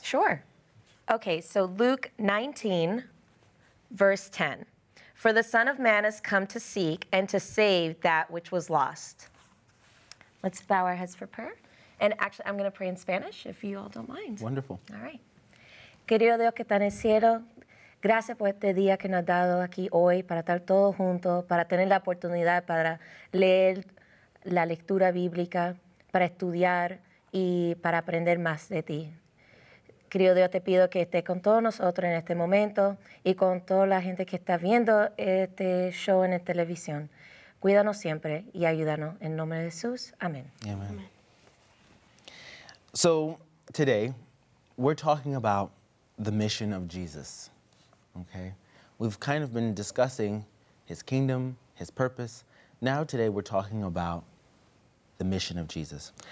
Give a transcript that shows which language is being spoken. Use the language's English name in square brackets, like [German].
[English] Sure. Okay, so Luke 19, verse 10. For the Son of Man has come to seek and to save that which was lost. Let's bow our heads for prayer. And actually, I'm going to pray in Spanish, if you all don't mind. Wonderful. All right. [Spanish] Querido Dios que está en el cielo, gracias por este día que nos has dado aquí hoy para estar todos juntos, para tener la oportunidad para leer la lectura bíblica, para estudiar y para aprender más de ti. Querido Dios, te pido que estés con todos nosotros en este momento y con toda la gente que está viendo este show en la televisión. Cuídanos siempre y ayúdanos. En nombre de Jesús. Amén. [English] Amen. So, today, we're talking about the mission of Jesus, okay? We've kind of been discussing his kingdom, his purpose. Now today we're talking about the mission of Jesus.